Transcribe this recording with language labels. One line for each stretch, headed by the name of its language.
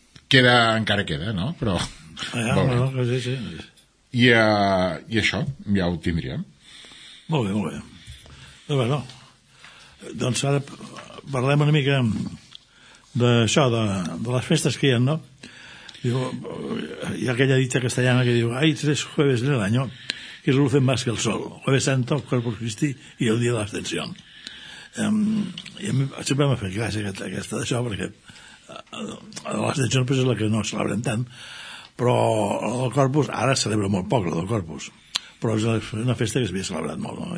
Catalan: Encara queda, no? Però veurem. No, que sí. I això, ja ho tindríem. Molt bé, molt bé. No, bé, no. Doncs ara parlem una mica d'això, de les festes que hi ha, no? Hi ha aquella dita castellana que diu
Spanish: «Hay tres jueves del año que lucen más que el sol, Jueves Santo, Corpus Christi y el Día de la Ascensión».
Catalan: I a mi sempre m'ha fet gràcia aquesta d'això, perquè l'Ascensión és la que no celebrem tant, però el Corpus, ara celebra molt poc el Corpus, però és una festa que s'havia celebrat molt, no?